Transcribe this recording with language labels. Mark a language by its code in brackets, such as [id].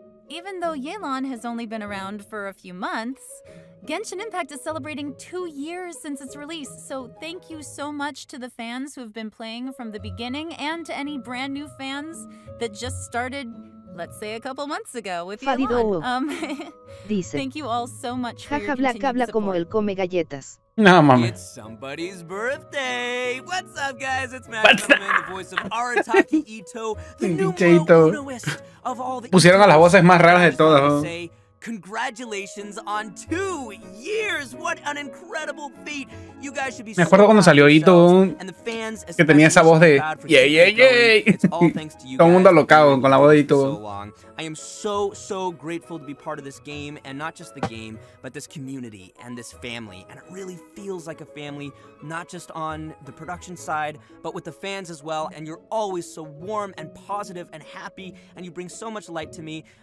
[en] Even though Yelan has only been around for a few months, Genshin Impact is celebrating 2 years since its release, so thank you so much to the fans who have been playing from the beginning and to any brand new fans that just started Let's say a couple months ago with Fadido. Yelan. [es] Dice. [en] Thank you all so much for [es] Jaja Black habla como el come galletas. No, mami. [en] It's somebody's birthday. What's up, guys? It's Matt, the voice of Arataki Ito, the new world of all the [es] Pusieron a las voces más raras de todas. [en] Congratulations on 2 years! What an incredible feat! You guys should be. [es] Me acuerdo cuando salió Ito, que tenía esa voz de yay yay yay. Todo el mundo alocado con la voz de Ito. [en] I am so so grateful to be part of this game and not just the game, but this community and this family. And it really feels like a family, not just on the production side, but with the fans as well. And you're always so warm and positive and happy, and you bring so much light to me.